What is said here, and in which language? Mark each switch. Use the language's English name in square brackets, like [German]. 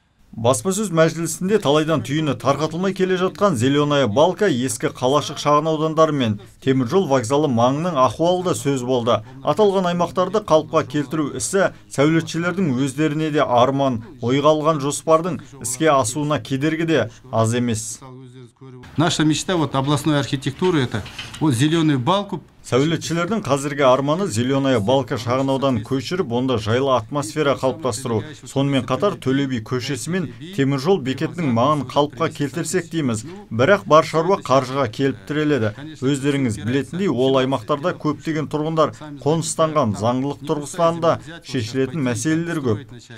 [Kazakh] Баспасөз мәжілісінде талайдан түйіні тарқатылмай келе жатқан Зеленая Балка, ескі қалашық шағын аудандары мен теміржол вокзалы маңының ахуалы да сөз болды. Аталған аймақтарды қалыпқа келтіру ісі сәулетшілердің өздеріне де арман, ойға алған жоспардың іске асуына кедергі де аз емес. [Russian] Наша мечта вот областной архитектуры это вот Зеленую Балку. [Kazakh] Сәулетшілердің қазіргі арманы Зеленая Балка шағынаудан көшіріп, онда жайлы атмосфера қалыптастыру. Сонымен қатар Төле би көшесімен теміржол бекетінің маңын қалыпқа келтірсек дейміз. Бірақ бар шаруа қаржыға келіп тіреледі. Өздеріңіз білетіндей, ол аймақтарда көптеген тұрғындар қоныстанған, заңдылық тұрғысынан да шешілетін мәселелер көп.